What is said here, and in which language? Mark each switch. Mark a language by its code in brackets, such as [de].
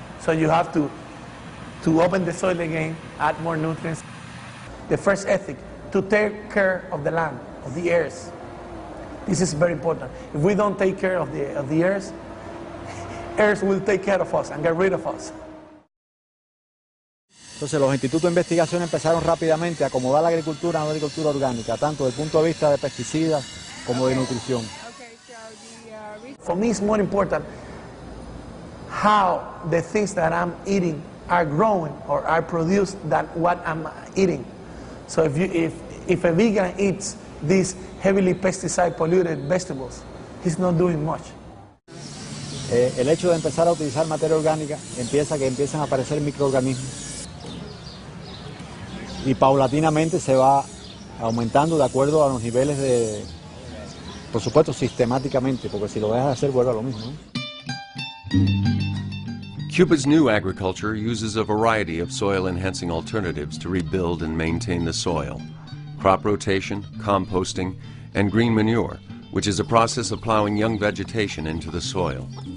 [en] So you have to open the soil again, add more nutrients. The first ethic, to take care of the land, of the earth. This is very important. If we don't take care of the earth will take care of us and get rid of us. [es] Entonces los institutos de investigación empezaron rápidamente a acomodar la agricultura a una agricultura orgánica, tanto desde el punto de vista de pesticidas como de nutrición. [en] For me it's more important how the things that I'm eating are growing or are produced than what I'm eating. So if a vegan eats these heavily pesticide polluted vegetables, he's not doing much. [es] El hecho de empezar a utilizar materia orgánica empieza que empiezan a aparecer microorganismos. Y paulatinamente se va aumentando de acuerdo a los niveles de, por supuesto, sistemáticamente, porque si lo dejas de hacer vuelve a lo mismo. [en] Cuba's new agriculture uses a variety of soil-enhancing alternatives to rebuild and maintain the soil. Crop rotation, composting, and green manure, which is a process of plowing young vegetation into the soil.